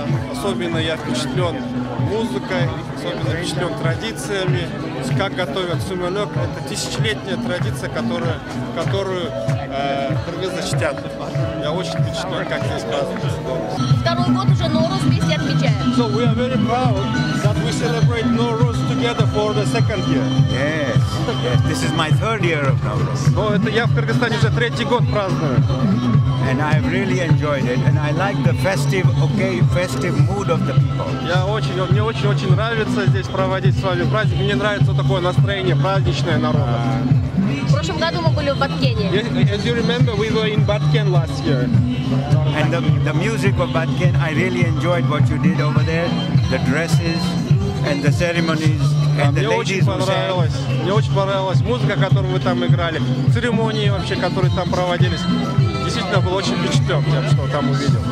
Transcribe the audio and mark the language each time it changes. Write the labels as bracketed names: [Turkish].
[Russian] Особенно я впечатлен музыкой, особенно впечатлен традициями. Как готовят сумалёк, это тысячелетняя традиция, которую кыргызы чтят. Я очень впечатлен, как здесь празднуется Ноурус. Второй год уже Ноурус вместе отмечаем. [English] So we are very proud that we celebrate Ноурус together for the second year. Yes, yes. This is my third year of Nowruz. [Russian] Oh, это я в Кыргызстане уже третий год праздную. [English] And I've really enjoyed it, and I like the festive mood of the people. [Russian] Я очень, мне очень, очень нравится здесь проводить с вами праздник. Мне нравится такое настроение праздничное народа. В прошлом году мы были в Баткене. [English] As you remember, we were in Batken last year. And the music of Batken, I really enjoyed what you did over there. The dresses. And the ceremonies and the ladies were. [Russian] Мне очень понравилась музыка, которую вы там играли, церемонии вообще, которые там проводились. Действительно был очень впечатлен тем, что там увидел.